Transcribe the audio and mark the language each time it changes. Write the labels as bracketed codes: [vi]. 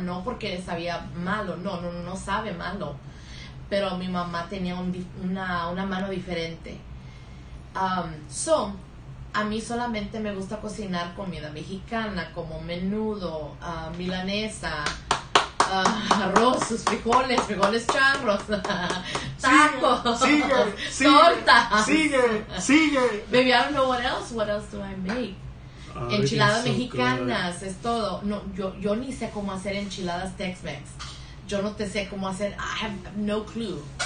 [es] No porque sabía malo, no sabe malo. Pero mi mamá tenía una mano diferente. So, a mí solamente me gusta cocinar comida mexicana, como menudo, milanesa, arroz, frijoles charros, tacos, sigue, torta. Sigue. [en] Baby, I don't know what else do I make. [es] Enchiladas mexicanas, es todo. No, yo ni sé cómo hacer enchiladas Tex-Mex. Yo no te sé cómo hacer, [en] I have no clue.